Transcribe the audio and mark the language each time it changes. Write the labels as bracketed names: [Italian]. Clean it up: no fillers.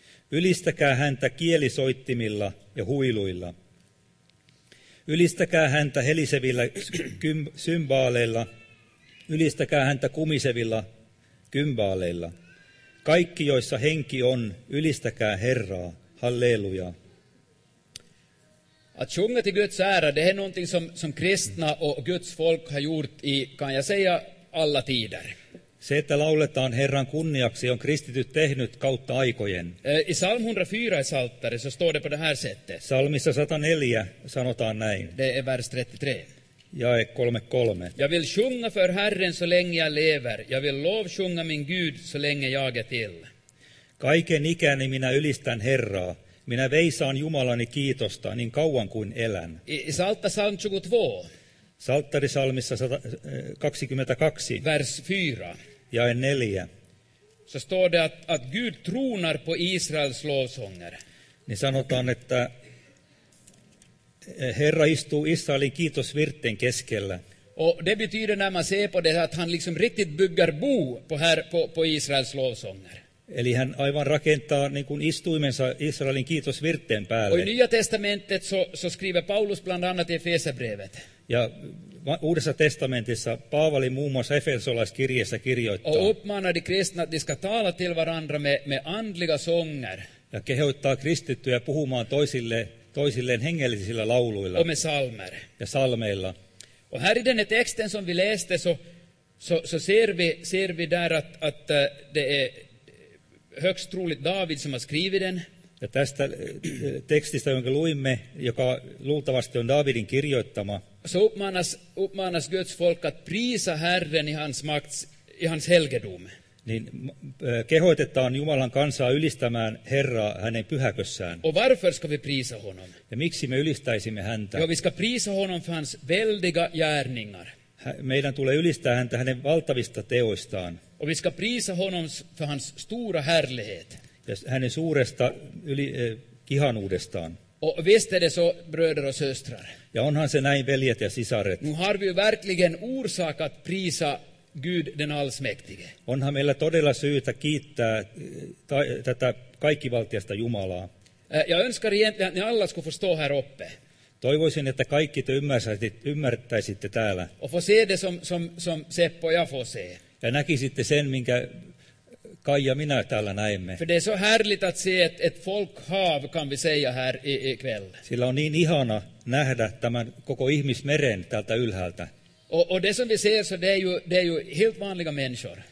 [Finnish] Ylistäkää häntä kielisoittimilla ja huiluilla. Ylistäkää häntä helisevillä symbaaleilla. Ylistäkää häntä kumisevilla kymbaaleilla. Kaikki, joissa henki on, ylistäkää Herraa. Halleluja. [Swedish] Att sjunga till Guds ära, det är någonting som kristna och Guds folk har gjort i, kan jag säga, alla tider. [Finnish] Se, että lauletaan Herran kunniaksi, on kristityt tehnyt kautta aikojen. [Swedish] I salm 104 i saltare så står det på det här sättet. [Finnish] Salmissa 104 sanotaan näin. [Swedish] Det är vers 33. [Finnish] Jae 33. [Swedish] Jag vill sjunga för Herren så länge jag lever. Jag vill lovsjunga min Gud så länge jag är till. [Finnish] Kaiken ikäni minä ylistän Herraa. Minä veisaan Jumalani kiitosta niin kauan kuin elän. [Swedish] Salm 22. [Finnish] Salttarisalmissa 22. [Swedish] Vers 4. [Finnish] Jae 4. [Swedish] Så står det att Gud tronar på Israels lovsånger. [Finnish] Niin sanotaan, että Herra istuu Israelin kiitosvirten keskellä. [Swedish] Och det betyder när man ser på det att han liksom riktigt bygger bo på Israels lovsånger. [Finnish] Eli hän aivan rakentaa niin kuin istuimensa Israelin kiitosvirteen päälle. [Swedish] Och i Nya testamentet så skriver Paulus bland annat i Efesierbrevet. [Finnish] Ja Uudessa testamentissa Paavali muun muassa Efesolaiskirjeessä kirjoittaa. [Swedish] Och uppmanar de kristna att de ska tala till varandra med andliga sånger. [Finnish] Ja kehoittaa kristittyjä puhumaan toisilleen hengellisillä lauluilla. [Swedish] Och med salmer. [Finnish] Ja salmeilla. [Swedish] Och här i den texten som vi läste så ser vi där att det är högst troligt David som har skrivit den. [Finnish] Ja tästä tekstistä, jonka luimme, joka luultavasti on Davidin kirjoittama. [Swedish] Så uppmanas Guds folk att prisa Herren i hans helgedom. [Finnish] Niin kehoitetaan Jumalan kansaa ylistämään Herraa hänen pyhäkössään. [Swedish] Och varför ska vi prisa honom? [Finnish] Ja miksi me ylistäisimme häntä? [Swedish] Jo, vi ska prisa honom för hans väldiga gärningar. [Finnish] Meidän tulee ylistää häntä hänen valtavista teoistaan. [Swedish] Och vi ska prisa honom för hans stora härlighet. [Finnish] Ja hänen suuresta kihanuudestaan. [Swedish] Och visst är det så, bröder och systrar. [Finnish] Ja onhan se näin, veljet ja sisaret. [Swedish] Nu har vi ju verkligen orsak att prisa Gud den allsmäktige. [Finnish] Onhan meillä todella syytä kiittää tätä kaikkivaltiasta Jumalaa. [Swedish] Ja önskar egentligen att ni alla ska få stå här uppe. [Finnish] Toivoisin, että kaikki te ymmärtäisitte täällä. [Swedish] Och få se det som Seppo ja få se. [Finnish] Ja näkisitte sen, minkä Kai ja minä täällä näemme. [Swedish] För det är så härligt att se ett folkhav, kan vi säga här ikväll. [Finnish] Sillä on niin ihana nähdä tämän koko ihmismeren täältä ylhäältä. [Swedish] Och det som vi ser så det är ju helt vanliga människor.